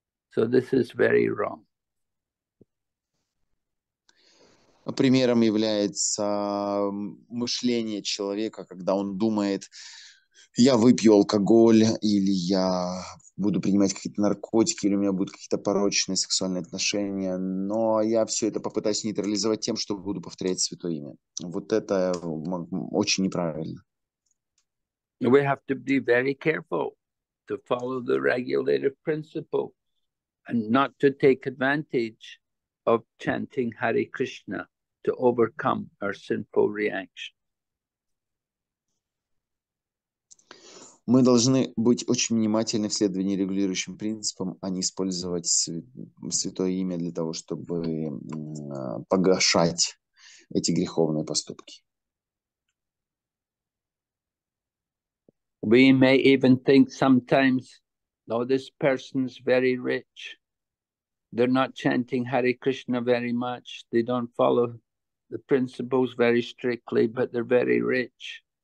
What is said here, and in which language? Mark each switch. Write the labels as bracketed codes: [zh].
[en] So this is very wrong. [ru] Примером является мышление человека, когда он думает: я выпью алкоголь, или я буду принимать какие-то наркотики, или у меня будут какие-то порочные сексуальные отношения, но я все это попытаюсь нейтрализовать тем, что буду повторять святое имя. Вот это очень неправильно. [en] We have to be very careful to follow the regulative principle and not to take advantage of chanting Hare Krishna to overcome our sinful reaction. [ru] Мы должны быть очень внимательны в следовании регулирующим принципам, а не использовать святое имя для того, чтобы погашать эти греховные поступки. [en] We may even think sometimes, oh, this person's very rich. They're not chanting Hare Krishna very much. They don't follow the principles very strictly, but they're very rich.